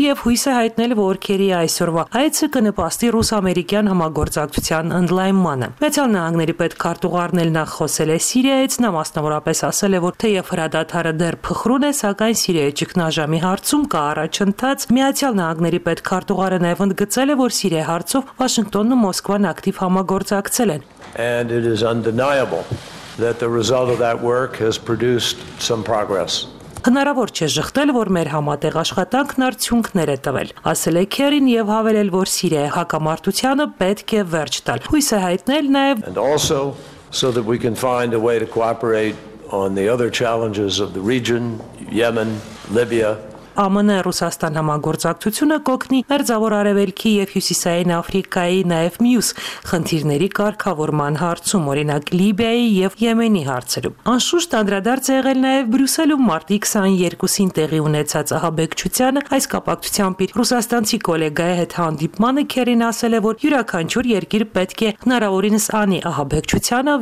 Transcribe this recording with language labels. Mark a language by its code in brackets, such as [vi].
[hy] և հույս է հայտնել, որ Քերիի այսօրվա այցը կնպաստի ռուս-ամերիկյան համագործակցության ընդլայնմանը։ Միացյալ Նահանգների պետքարտուղարն խոսել է Սիրիայից, նա մասնավորապես ասել է, որ թեև հրադադարը դեռ փխրուն է, սակայն Սիրիայի ճգնաժամի հարցում կա առաջընթաց։ Միացյալ Նահանգների պետքարտուղարը նաև ընդգծել է, որ Սիրիայի հարցով Վաշինգտոնն ու Մոսկվան ակտիվ համագործակցել են։ [en] And it is undeniable that the result of that work has produced some progress. [hy] Հնարավոր չէ ժխտել, որ մեր համատեղ աշխատանքն արդյունքներ է տվել, ասել է Քերին և հավելել, որ Սիրիայի հակամարտությանը պետք է վերջ տալ։ Հույս է հայտնել նաև [en] so that we can find a way to cooperate on the other challenges of the region, Yemen, Libya. [hy] ԱՄՆ-ը Ռուսաստան համագործակցությունը կօգնի մերձավոր Արևելքի եւ Հյուսիսային Աֆրիկայի նաեւ մյուս խնդիրների կարգավորման հարցում, օրինակ Լիբիայի եւ Յեմենի հարցերում։ Անշուշտ անդրադարձ է եղել նաեւ Բրյուսելում մարտի 22-ին տեղի ունեցած ահաբեկչությանը, այս կապակցությամբ ռուսաստանցի գոլեգայի հետ հանդիպմանը Քերին ասել է, որ յուրաքանչյուր երկիր պետք է հնարավորինս անի ահաբեկչությանը